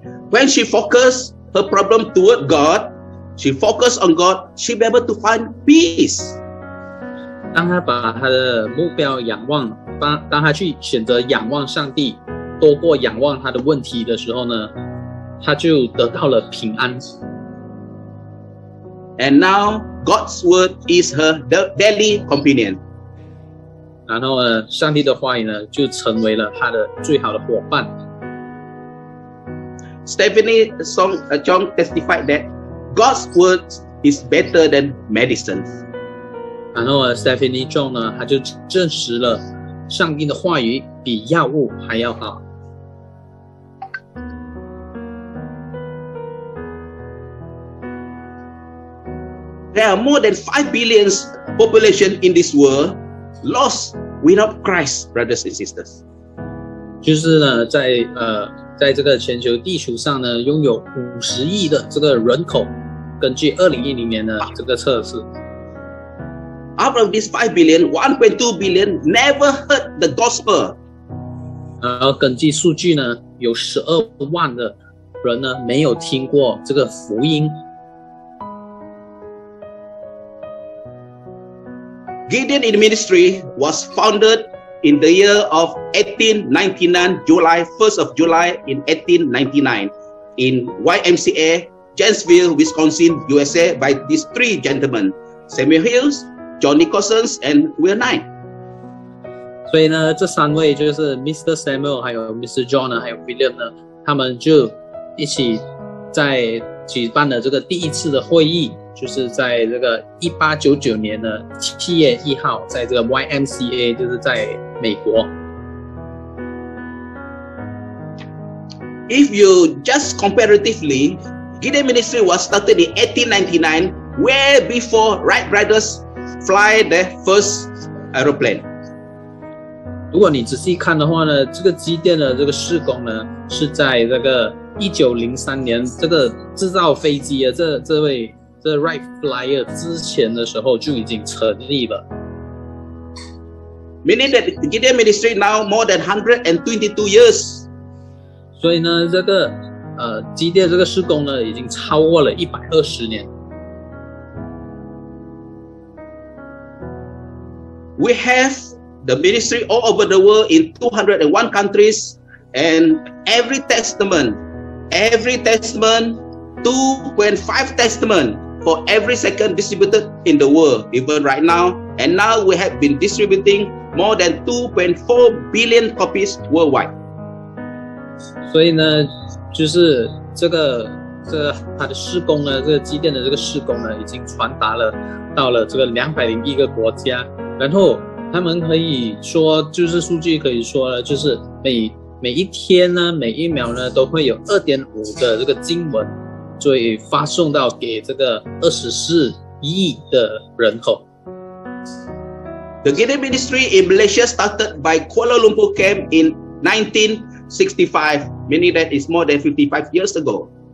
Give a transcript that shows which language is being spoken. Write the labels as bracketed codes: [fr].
[en] When she focuses her problem toward God, she focused on God, she was able to find peace. [zh] 当她把她的目标仰望，当她去选择仰望上帝，多过仰望她的问题的时候呢，她就得到了平安。 [en] And now, God's word is her daily companion. [zh] 然后呢，上帝的话语呢，就成为了她的最好的伙伴。 [en] Stephanie Song Chong testified that God's word is better than medicine. [zh] 然后 Stephanie Chong 呢，他就证实了上帝的话语比药物还要好。 [en] There are more than 5 billion population in this world lost without Christ, brothers and sisters. [zh] 就是呢，在在这个全球地球上呢，拥有50亿的这个人口，根据2010年的这个测试 [en] ，Out of these 5 billion, 1.2 billion never heard the gospel. [zh] 然后根据数据呢，有120,000的人呢没有听过这个福音。 [en] Gideon in ministry was founded in the year of 1899, July, 1st of July in 1899, in YMCA, Janesville, Wisconsin, USA, by these 3 gentlemen, Samuel Hills, John Nicholson, and Will Knight. [zh] 所以呢，这三位就是 Mr. Samuel, 还有 Mr. John, 还有 William 呢，他们就一起在举办了这个第一次的会议，就是在这个1899年的7月1号，在这个 YMCA, 就是在美国。 [en] If you just comparatively, Gideon Ministry was started in 1899, way before Wright Brothers fly their first aeroplane. [zh] 如果你仔细看的话呢，这个基甸的这个事工呢，是在这个1903年这个制造飞机的这位 Wright Flyer 之前的时候就已经成立了。 [en] Meaning that Gideon Ministry now more than 122 years. [zh] 所以呢，这个基甸这个事工呢，已经超过了120年。 [en] We have the ministry all over the world in 201 countries, and every testament, 2.5 testament for every second distributed in the world, even right now. And now we have been distributing more than 2.4 billion copies worldwide. [zh] 所以呢，就是这个他的事工呢，这个基甸的这个事工呢，已经传达了到了这个 201 个国家。然后他们可以说，就是数据可以说呢，就是每一天呢，每一秒呢，都会有 2.5 的这个经文，所以发送到给这个 24亿 的人口。 [en] The Gideon Ministry in Malaysia started by Kuala Lumpur Camp in 1965, meaning that it's more than 55 years ago.